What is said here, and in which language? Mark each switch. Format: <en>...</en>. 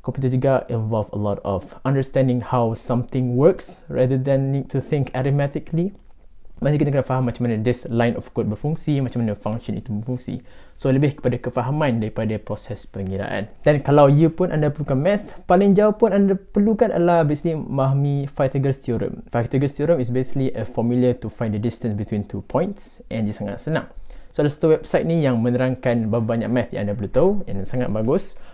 <ms>Komputer juga</ms> <en>involve a lot of understanding how something works rather than need to think arithmetically.</en> <ms>Maksudnya kita kena faham macam mana</ms> <en>this line of code</en> <ms>berfungsi, macam mana function itu berfungsi. So lebih kepada kefahaman daripada proses pengiraan. Dan kalau you pun anda perlukan math, paling jauh pun anda perlukan adalah basically memahami Pythagoras theorem.</ms> <en>Pythagoras theorem is basically a formula to find the distance between two points and</en> <ms>dia sangat senang. So ada satu website ni yang menerangkan berapa banyak math yang anda perlu tahu dan sangat bagus.</ms>